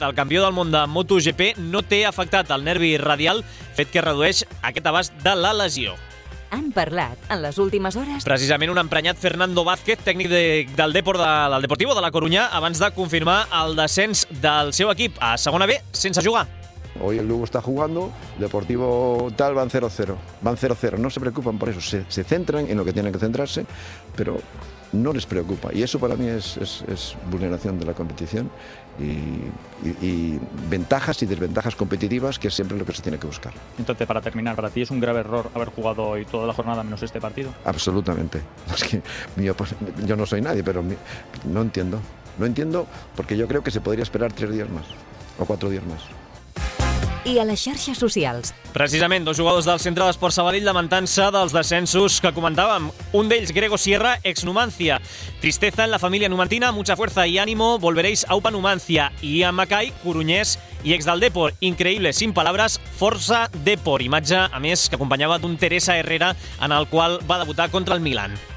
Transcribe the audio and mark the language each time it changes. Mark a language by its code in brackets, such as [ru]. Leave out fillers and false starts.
[ca] El campió del món de MotoGP no té afectat el nervi radial, fet que redueix aquest abast de la lesió. Han parlat en les últimes hores... Precisament un emprenyat Fernando Vázquez, tècnic del Deportivo de la Coruña, abans de confirmar el descens del seu equip a segona B sense jugar. [es] Hoy el Lugo está jugando, Deportivo tal, van 0-0. Van 0-0, no se preocupan por eso, se centran en lo que tienen que centrarse, pero no les preocupa. Y eso para mí es vulneración de la competición y ventajas y desventajas competitivas, que es siempre lo que se tiene que buscar. Entonces, para terminar, ¿para ti es un grave error haber jugado hoy toda la jornada menos este partido? Absolutamente. Es que yo no soy nadie, pero no entiendo. No entiendo porque yo creo que se podría esperar 3 días más o 4 días más. [ca] I a les xarxes socials. Precisament, dos jugadors del Centre d'Esport Sabadell lamentant-se dels descensos que comentàvem. Un d'ells, Grego Sierra, ex-Numancia. [es] Tristeza en la família numantina, mucha fuerza y ánimo, volveréis a UPA Numancia. [ca] I Ian Mackay, coruñés i ex del Depor. Increïble, [es] sin palabras, [ca] força Depor. Imatge, a més, que acompanyava d'un Teresa Herrera en el qual va debutar contra el Milan.